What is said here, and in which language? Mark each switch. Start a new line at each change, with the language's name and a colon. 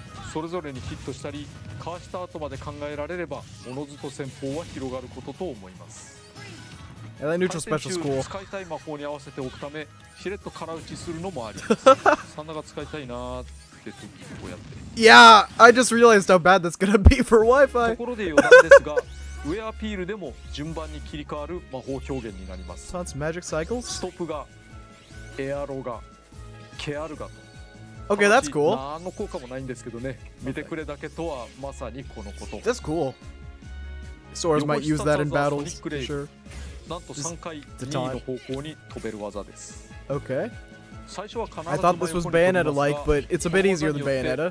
Japanese: それぞれにヒットしたり、かわした後まで考えられれば、おのずと戦法は広がることと思います。
English: And that neutral special is cool.
Japanese: 使いたい魔法に合わせておくため、しれっと空打ちするのもあり。サンダが使いたいなーって時にこうやって。
English: Yeah, I just realized how bad that's gonna be for Wi-Fi.
Japanese: ところで余談ですが、ウェアピールでも順番に切り替わる魔法表現になります。
English: So that's magic cycles?
Japanese: ストップが、エアロが、ケアルガと。
English: Okay, that's cool.
Japanese: 何の効果もないんですけどね。見てくれだけとはまさにこのこと。
English: That's cool. Sora's might use that in battles, for sure.
Japanese: なんと3回2の方向に飛べる技です。
English: Okay.
Japanese: 最初は必ず
English: I thought this was Bayonetta-like, but it's a bit easier than Bayonetta.